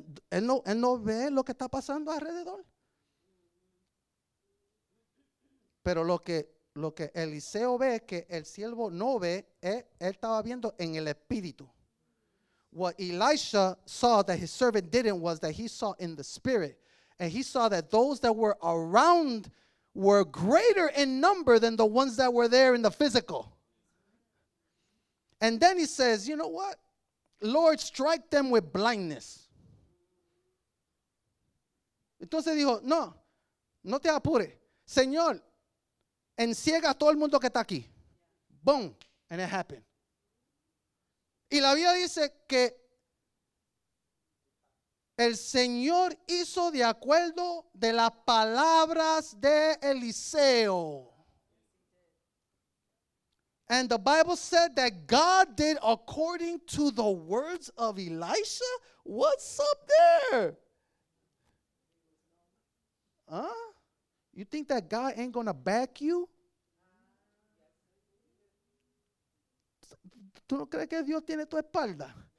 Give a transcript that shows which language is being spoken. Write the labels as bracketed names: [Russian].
[Spanish] ¿Él no ve lo que está pasando alrededor? Pero lo que Eliseo ve que el siervo no ve, él estaba viendo en el espíritu. [English] What Elisha saw that his servant didn't was that he saw in the spirit. And he saw that those that were around were greater in number than the ones that were there in the physical. And then he says, you know what? Lord, strike them with blindness. [Spanish] Entonces dijo, no te apure. Señor, enciega a todo el mundo que está aquí. [English] Boom. And it happened. [Spanish] Y la Biblia dice que el Señor hizo de acuerdo de las palabras de Eliseo. [English] And the Bible said that God did according to the words of Elisha? What's up there? Huh? You think that God ain't going to back you? [Spanish] ¿Tú no crees que Dios tiene tu espalda?